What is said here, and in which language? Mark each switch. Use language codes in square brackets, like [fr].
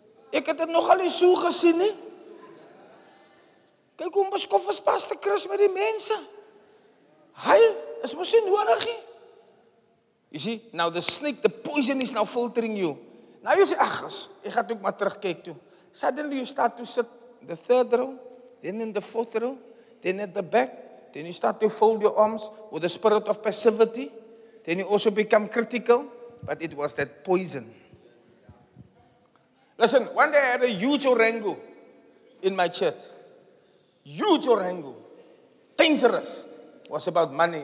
[af] Ek het dit nogal nie so gesien nie. Kyk hoe beskof is Pastor Chris met die mense. Hy is misschien nodig nie." [en] You see, now the snake, the poison is now filtering you. [af] Now you say, ach, ek gaan ook maar terugkyk toe. [en] Suddenly you start to sit in the third row, then in the fourth row, then at the back. Then you start to fold your arms with the spirit of passivity. Then you also become critical, but it was that poison. Listen, one day I had a huge orango in my church. Huge orango. Dangerous. Was about money.